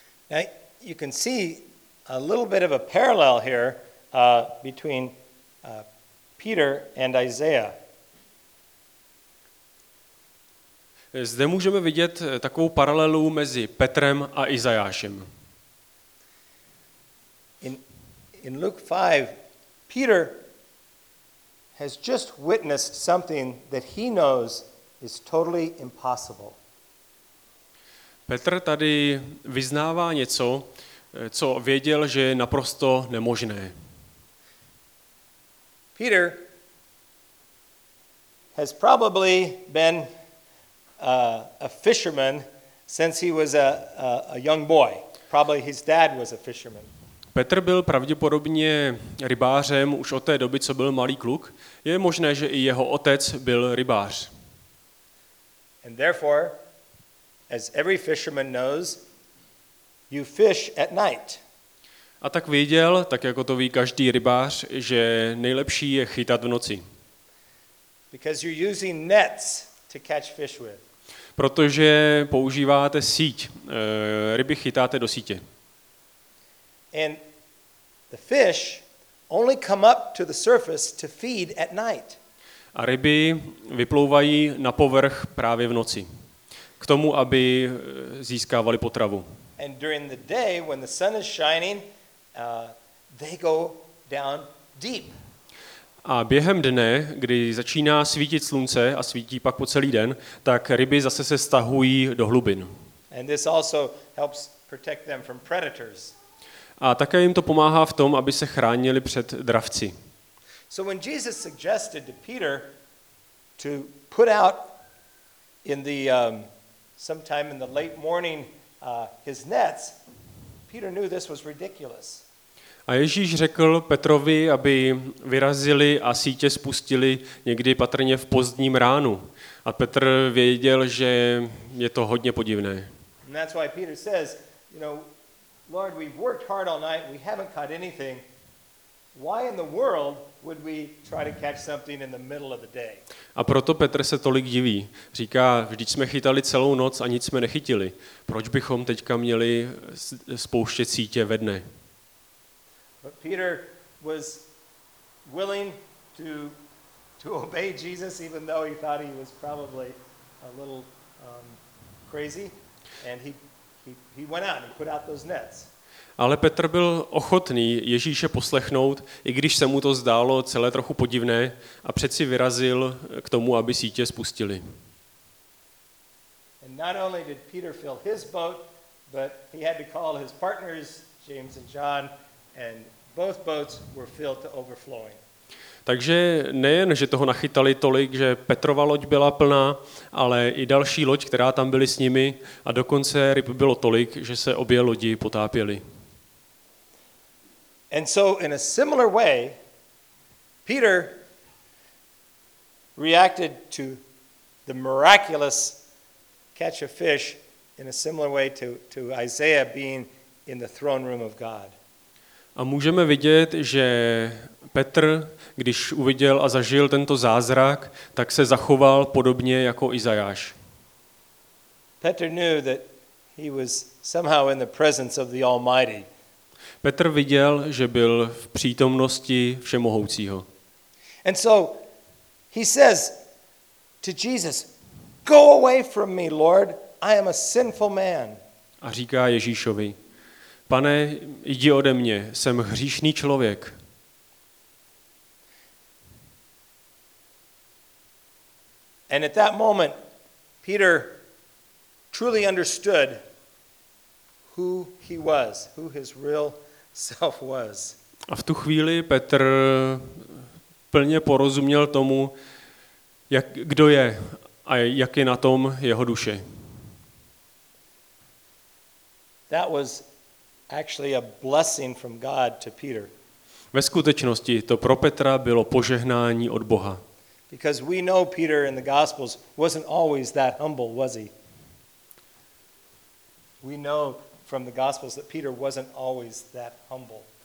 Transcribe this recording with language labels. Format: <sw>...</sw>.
<en>Now you can see a little bit of a parallel here between Peter and Isaiah.</en> <cs>Zde můžeme vidět takovou paralelu mezi Petrem a Izajášem.</cs> <en>In Luke 5, Peter has just witnessed something that he knows is totally impossible.</en> <cs>Petr tady vyznává něco, co věděl, že je naprosto nemožné.</cs> <en>Peter has probably been a fisherman since he was a young boy. Probably his dad was a fisherman.</en> <cs>Petr byl pravděpodobně rybářem už od té doby, co byl malý kluk. Je možné, že i jeho otec byl rybář.</cs> <en>And therefore, as every fisherman knows, you fish at night.</en> <cs>A tak věděl, tak jako to ví každý rybář, že nejlepší je chytat v noci.</cs> <en>Because you're using nets to catch fish with.</en> <cs>Protože používáte síť. Ryby chytáte do sítě.</cs> <en>And the fish only come up to the surface to feed at night.</en> <cs>A ryby vyplouvají na povrch právě v noci. K tomu, aby získávali potravu.</cs> <en>And during the day when the sun is shining, they go down deep.</en> <cs>A během dne, kdy začíná svítit slunce a svítí pak po celý den, tak ryby zase se stahují do hlubin.</cs> <en>And this also helps protect them from predators.</en> <cs>A také jim to pomáhá v tom, aby se chránili před dravci.</cs> <en>So when Jesus suggested to Peter to put out in the sometime in the late morning his nets, Peter knew this was ridiculous.</en> <cs>A Ježíš řekl Petrovi, aby vyrazili a sítě spustili někdy patrně v pozdním ránu. A Petr věděl, že je to hodně podivné.</cs> <en>And that's why Peter says, you know, Lord, we've worked hard all night, we haven't caught anything. Why in the world would we try to catch something in the middle of the day?</en> <cs>A proto Petr se tolik diví. Říká, vždyť jsme chytali celou noc a nic jsme nechytili. Proč bychom teďka měli spouštět sítě ve dne?</cs> <en>But Peter was willing to obey Jesus even though he thought he was probably a little crazy, and he went out and put out those nets.</en> <cs>Ale Petr byl ochotný Ježíše poslechnout, i když se mu to zdálo celé trochu podivné, a přeci vyrazil k tomu, aby sítě spustili.</cs> <en>And not only did Peter fill his boat, but he had to call his partners James and John, and both boats were filled to overflowing.</en> <cs>Takže nejen, že toho nachytali tolik, že Petrova loď byla plná, ale i další loď, která tam byly s nimi, a dokonce ryb bylo tolik, že se obě lodi potápěly.</cs> <en>And so in a similar way, Peter reacted to the miraculous catch of fish in a similar way to Isaiah being in the throne room of God.</en> <cs>A můžeme vidět, že Petr, když uviděl a zažil tento zázrak, tak se zachoval podobně jako Izajáš.</cs> <en>Peter knew that he was somehow in the presence of the Almighty.</en> <cs>Petr viděl, že byl v přítomnosti Všemohoucího.</cs> <en>And so he says to Jesus, "Go away from me, Lord, I am a sinful man."</en> <cs>A říká Ježíšovi: Pane, jdi ode mě, jsem hříšný člověk.</cs> <en>And at that moment, Peter truly understood who he was, who his real self was.</en> <cs>A v tu chvíli Petr plně porozuměl tomu, jak, kdo je a jak je na tom jeho duše.</cs> <en>That was actually a blessing from God to Peter.</en> <cs>Ve skutečnosti to pro Petra bylo požehnání od Boha.</cs> <en>Because we know Peter in the Gospels wasn't always that humble, was he? We know from the Gospels that Peter wasn't always that humble.</en>